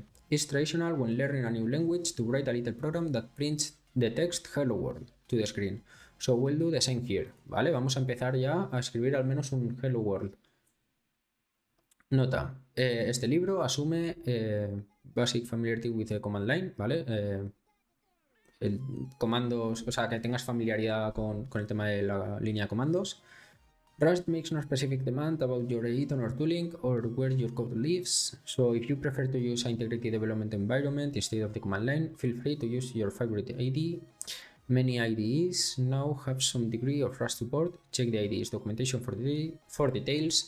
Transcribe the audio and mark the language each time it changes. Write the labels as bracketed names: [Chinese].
[English] It's traditional when learning a new language to write a little program that prints the text Hello World to the screen. So we'll do the same here. [Spanish] Vale, vamos a empezar ya a escribir al menos un Hello World. Nota, este libro asume [English] Basic Familiarity with the Command Line, [Spanish] ¿vale? Comandos, o sea, que tengas familiaridad con el tema de la línea de comandos. [English] Rust makes no specific demand about your editor or tooling or where your code lives. So if you prefer to use an Integrity Development Environment instead of the Command Line, feel free to use your favorite IDE. Many IDEs now have some degree of Rust support. Check the IDE's documentation for details.